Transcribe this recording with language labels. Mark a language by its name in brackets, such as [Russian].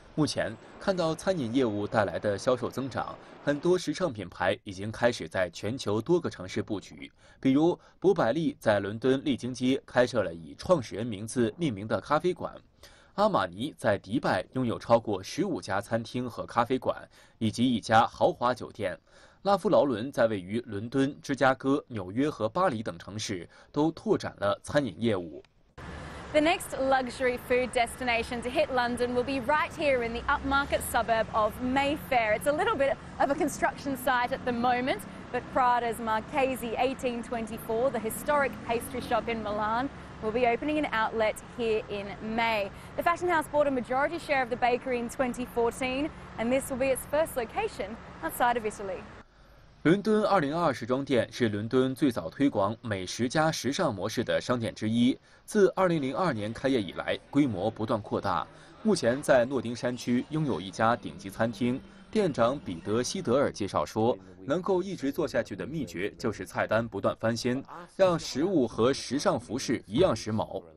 [Chinese] 目前看到餐饮业务带来的销售增长，很多时尚品牌已经开始在全球多个城市布局，比如博百利在伦敦丽晶街开设了以创始人名字命名的咖啡馆，阿玛尼在迪拜拥有超过15家餐厅和咖啡馆以及一家豪华酒店，拉夫劳伦在位于伦敦、芝加哥、纽约和巴黎等城市都拓展了餐饮业务。 [English] The next luxury food destination to hit London will be right here in the upmarket suburb of Mayfair. It's a little bit of a construction site at the moment, but Prada's Marchese 1824, the historic pastry shop in Milan, will be opening an outlet here in May. The fashion house bought a majority share of the bakery in 2014, and this will be its first location outside of Italy. [Chinese] 伦敦2020时装店是伦敦最早推广美食加时尚模式的商店之一。自2002年开业以来，规模不断扩大，目前在诺丁山区拥有一家顶级餐厅。店长彼得·希德尔介绍说，能够一直做下去的秘诀就是菜单不断翻新，让食物和时尚服饰一样时髦。